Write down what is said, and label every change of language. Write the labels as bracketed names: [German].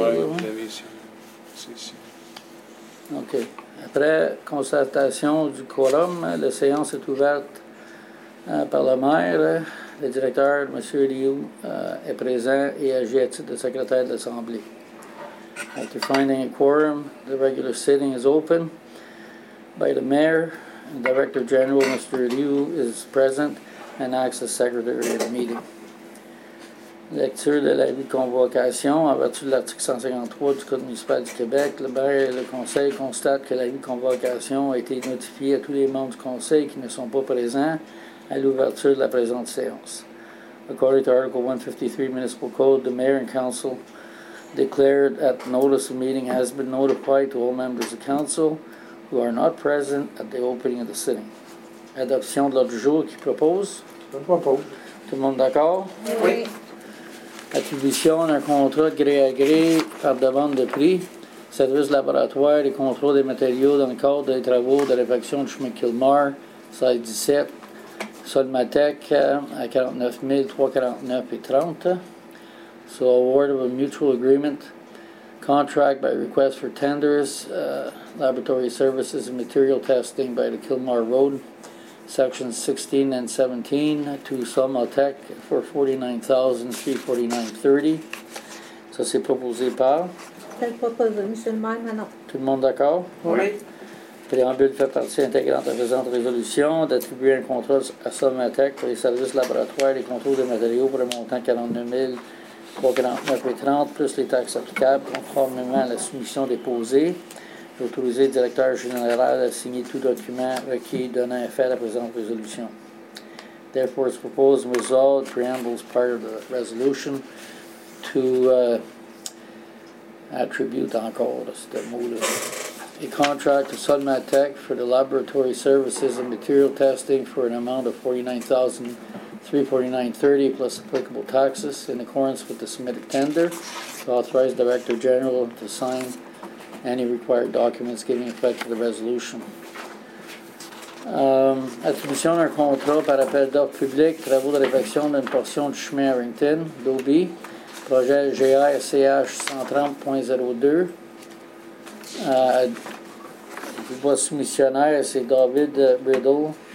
[French] Oui, hein? Vous l'avez ici. OK. Après constatation du quorum, la séance est ouverte par le maire. Le directeur, M. Liu, est présent et agit à titre de secrétaire de l'Assemblée. [English] After finding a quorum, the regular sitting is open by the mayor. And Director General, Mr. Liu, is present and acts as secretary of the meeting. [French] Lecture de l'avis de convocation. En vertu de l'article 153 du Code municipal du Québec, le maire et le conseil constatent que l'avis de convocation a été notifié à tous les membres du conseil qui ne sont pas présents à l'ouverture de la présente séance. [English] According to Article 153 Municipal Code, the mayor and council declared that notice of meeting has been notified to all members of council who are not present at the opening of the sitting. [French] Adoption de l'ordre du jour qui propose? Je propose. Tout le monde d'accord? Oui. Attribution d'un contrat de gré à gré par demande de prix, service laboratoire et contrôle des matériaux dans le cadre des travaux de réfection du chemin Kilmar, site 17, Solmatec à 49 349 $30. [English] So, award of a mutual agreement, contract by request for tenders, laboratory services and material testing by the Kilmar Road, sections 16 and 17 to Somatech for $49,349.30. [French] Ça, c'est proposé par? C'est proposé, M. le maire, maintenant. Tout le monde d'accord? Oui. Préambule fait partie intégrante de la présente résolution d'attribuer un contrat à Somatech pour les services laboratoires et les contrôles de matériaux pour un montant de 49 039.30 plus les taxes applicables conformément à la soumission déposée. J'ai autorisé le directeur général à signer tout document requis donnant effet à la présente résolution. [English] Therefore, it's proposed and resolved, preambles part of the resolution, to attribute [French] encore, c'est le mot là. [English] A contract to Solmatech for the laboratory services and material testing for an amount of $49,349.30 plus applicable taxes in accordance with the submitted tender to authorize Director General to sign any required documents giving effect to the resolution. [French] Attribution d'un contrat par appel d'offres public, travaux de réfection d'une portion du chemin Harrington, Dobie, projet GISCH 130.02. Je vois soumissionnaire, c'est David Riddle.